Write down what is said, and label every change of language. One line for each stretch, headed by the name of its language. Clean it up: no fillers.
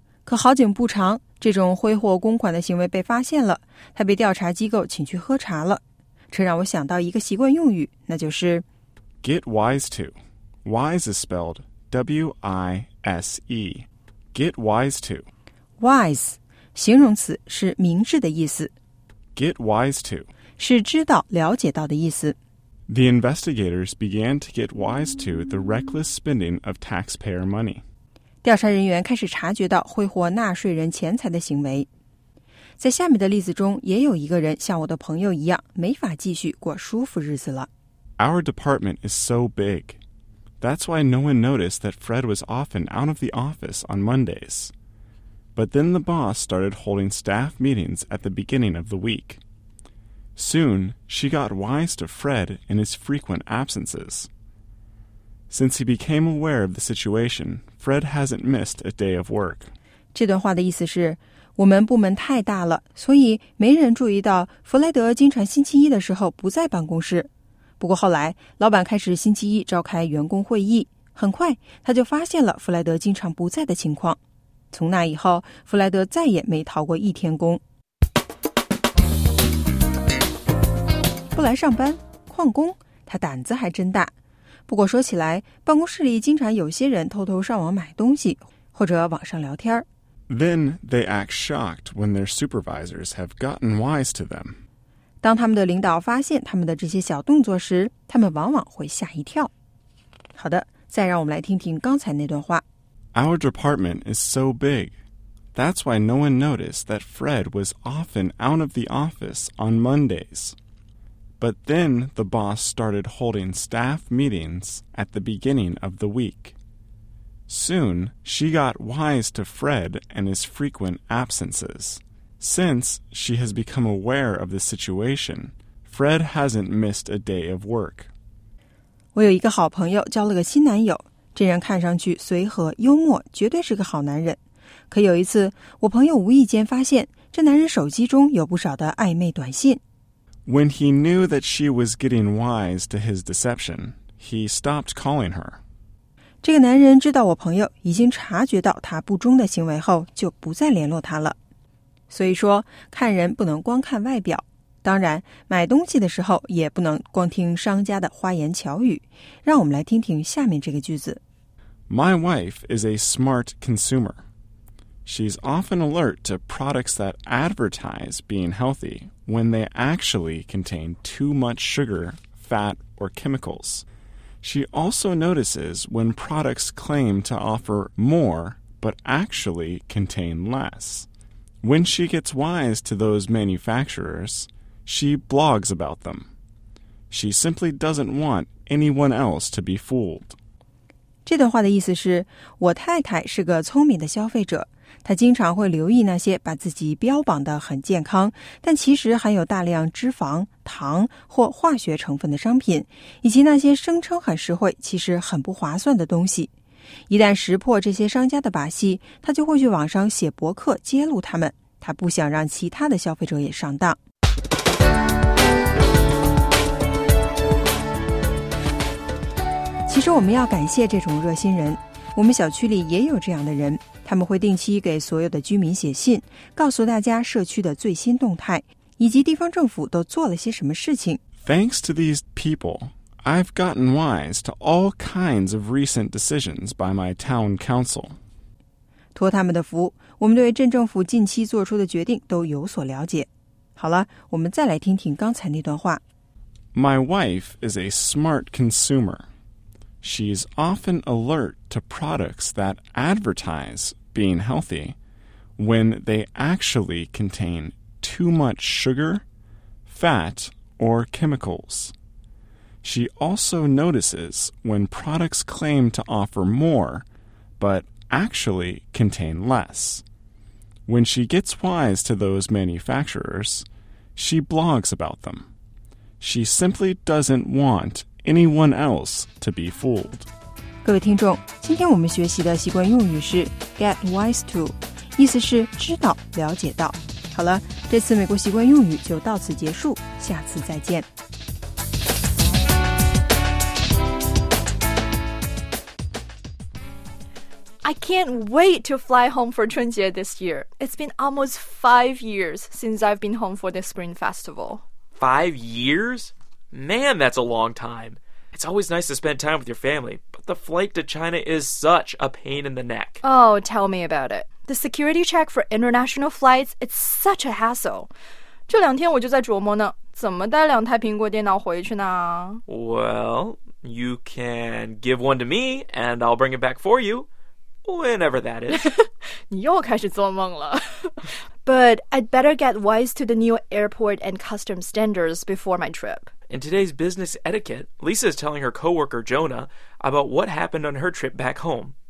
Chinese: 可好景不长，这种挥霍公款的行为被发现了，他被调查机构请去喝茶了。这让我想到一个习惯用语，那就是
English: Get wise to。 Wise is spelled W-I-S-E. Get wise to.
Chinese: Wise, 形容词是明智的意思。
English: Get wise to.
Chinese: 是知道、了解到的意思。
English: The investigators began to get wise to the reckless spending of taxpayer money.
Chinese: 调查人员开始察觉到挥霍纳税人钱财的行为。在下面的例子中，也有一个人像我的朋友一样，没法继续过舒服日子了。
English: Our department is so big. That's why no one noticed that Fred was often out of the office on Mondays. But then the boss started holding staff meetings at the beginning of the week. Soon, she got wise to Fred and his frequent absences. Since he became aware of the situation, Fred hasn't missed a day of work.
Chinese: 这段话的意思是，我们部门太大了，所以没人注意到弗莱德经常星期一的时候不在办公室。不过后来，老板开始星期一召开员工会议，很快他就发现了弗莱德经常不在的情况。从那以后，弗莱德再也没逃过一天工。不来上班，旷工，他胆子还真大。不过说起来，办公室里经常有些人偷偷上网买东西，或者网上聊天。
English: Then they act shocked when their supervisors have gotten wise to them.
Chinese: 当他们的领导发现他们的这些小动作时，他们往往会吓一跳。好的，再让我们来听听刚才那段话。
English: Our department is so big. That's why no one noticed that Fred was often out of the office on Mondays. But then the boss started holding staff meetings at the beginning of the week. Soon, she got wise to Fred and his frequent absences. Since she has become aware of the situation, Fred hasn't missed a day of work.
Chinese: 我有一个好朋友交了个新男友，这人看上去随和幽默，绝对是个好男人。可有一次，我朋友无意间发现这男人手机中有不少的暧昧短信。
English: When he knew that she was getting wise to his deception, he stopped calling her.
Chinese: 这个男人知道我朋友已经察觉到他不忠的行为后，就不再联络他了。所以说，看人不能光看外表。当然，买东西的时候也不能光听商家的花言巧语。让我们来听听下面这个句子。
English: My wife is a smart consumer. She's often alert to products that advertise being healthy when they actually contain too much sugar, fat, or chemicals. She also notices when products claim to offer more but actually contain less. When she gets wise to those manufacturers, she blogs about them. She simply doesn't want anyone else to be fooled.
Chinese: 这段话的意思是，我太太是个聪明的消费者，她经常会留意那些把自己标榜得很健康，但其实含有大量脂肪、糖或化学成分的商品，以及那些声称很实惠，其实很不划算的东西。一旦识破这些商家的把戏，他就会去网上写博客揭露他们。他不想让其他的消费者也上当。其实我们要感谢这种热心人，我们小区里也有这样的人，他们会定期给所有的居民写信，告诉大家社区的最新动态，以及地方政府都做了些什么事情。
English: Thanks to these people, I've gotten wise to all kinds of recent decisions by my town council.
Chinese: 托他们的福，我们对镇政府近期做出的决定都有所了解。好了，我们再来听听刚才那段话。
English: My wife is a smart consumer. She's often alert to products that advertise being healthy when they actually contain too much sugar, fat, or chemicals. She also notices when products claim to offer more, but actually contain less. When she gets wise to those manufacturers, she blogs about them. She simply doesn't want anyone else to be fooled.
Chinese: 各位听众，今天我们学习的习惯用语是 get wise to， 意思是知道、了解到。好了，这次美国习惯用语就到此结束，下次再见。
English: I can't wait to fly home for 春节 this year. It's been almost 5 years since I've been home for the Spring Festival. 5 years? Man, that's a long time. It's always nice to spend time with your family, but the flight to China is such a pain in the neck. Oh, tell me about it. The security check for international flights, it's such a hassle.
Chinese: 这两天我就在琢磨呢，怎么带两台苹果电脑回去呢？
English: Well, you can give one to me, and I'll bring it back for you, whenever that is.
Chinese: 你又开始做梦了。
English: But I'd better get wise to the new airport and customs standards before my trip. In today's business etiquette, Lisa is telling her coworker Jonah about what happened on her trip back home.